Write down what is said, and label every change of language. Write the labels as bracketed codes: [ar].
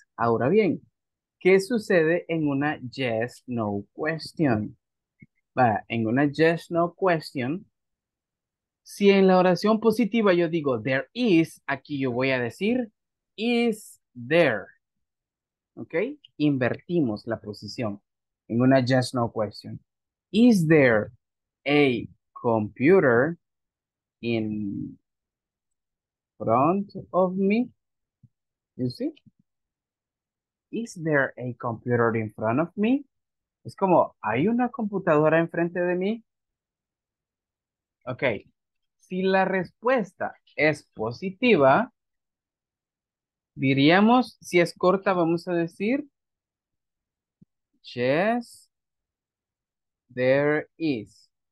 [es] Ahora bien, ¿qué sucede en una [en] yes, no question? [es] Vaya, en una [en] yes, no question, [es] si en la oración positiva yo digo [en] there is, [es] aquí yo voy a decir [en] is there. [es] ¿Ok? Invertimos la posición en una [en] yes, no question. Is there a computer in front of me? You see? Is there a computer in front of me? [es] Es como, ¿hay una computadora enfrente de mí? Ok. Si la respuesta es positiva, diríamos, si es corta, vamos a decir, [en] yes, there is.